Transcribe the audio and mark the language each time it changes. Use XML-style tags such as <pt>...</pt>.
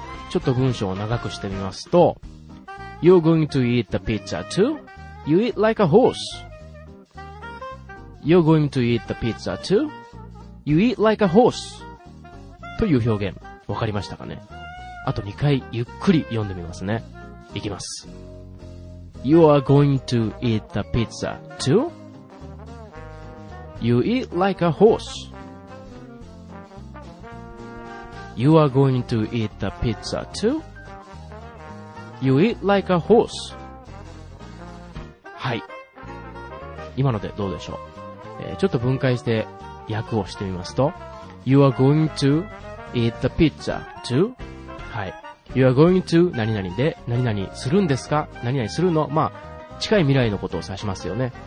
<ja>ちょっと文章を長くしてみますと、</ja> <en>You're going to eat the pizza too? You eat like a horse. You're going to eat the pizza too? You eat like a horse.</en> <ja>という表現、わかりましたかね。あと2回ゆっくり読んでみますね。いきます。</ja> <en>You are going to eat the pizza too? You eat like a horseYou are going to eat the pizza too? You eat like a horse.</en> <ja>はい、今のでどうでしょう。ちょっと分解して訳をしてみますと、</ja> <en>You are going to eat the pizza too?</en> <ja>はい、</ja> <en>You are going to</en> <ja>何々で何々するんですか、何々するの、まあ近い未来のことを指しますよね。</ja>